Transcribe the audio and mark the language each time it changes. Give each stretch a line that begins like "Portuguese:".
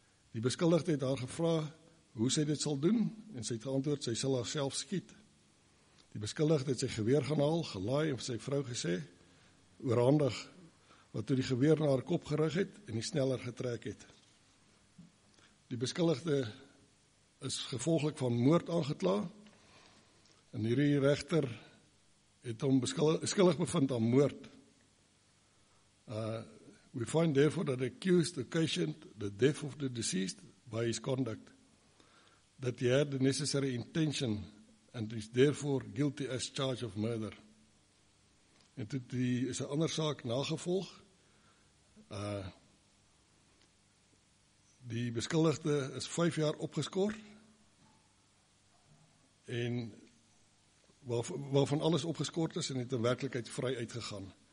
Afrikaans: Die beskuldigde het haar gevra hoe sy dit sal doen, en sy het geantwoord, sy sal haarself skiet. Die beskuldigde het sy geweer gaan haal, gelaai en sy vrou gesê, oorhandig, wat toe die geweer na haar kop gerig het en nie sneller getrek het. Die beskuldigde is gevolglik van moord aangekla, en hierdie regter het hom skuldig bevind aan moord.
English: We find therefore that accused occasioned the death of the deceased by his conduct, that he had the necessary intention and is therefore guilty as charge of murder.
Afrikaans: En toe die is 'n ander saak nagevolg. Die beskuldigde is 5 jaar opgeskort, en waarvan alles opgeskort is en het in werklikheid vry uitgegaan.